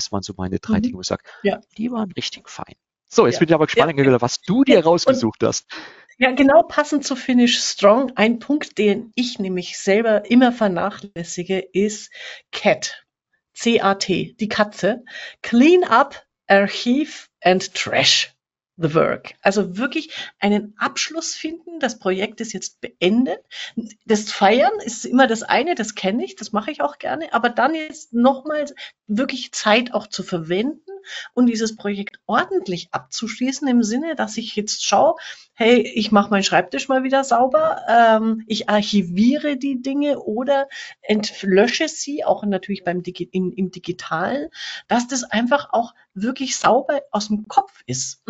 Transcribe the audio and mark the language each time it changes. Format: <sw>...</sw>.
<de>Das waren so meine drei Dinge, wo ich sage, die waren richtig fein. So, jetzt bin ich aber gespannt, was du dir Und rausgesucht hast. ja, genau passend zu Finish Strong, ein Punkt, den ich nämlich selber immer vernachlässige, ist Cat, CAT, die Katze.</de> <en>Clean up, Archive and Trash the Work.</en> <de>Also wirklich einen Abschluss finden, das Projekt ist jetzt beendet. Das Feiern ist immer das eine, das kenne ich, das mache ich auch gerne, aber dann jetzt nochmal wirklich Zeit auch zu verwenden und dieses Projekt ordentlich abzuschließen, im Sinne, dass ich jetzt schaue, hey, ich mache meinen Schreibtisch mal wieder sauber, ich archiviere die Dinge oder entlösche sie, auch natürlich im Digitalen, dass das einfach auch wirklich sauber aus dem Kopf ist.</de>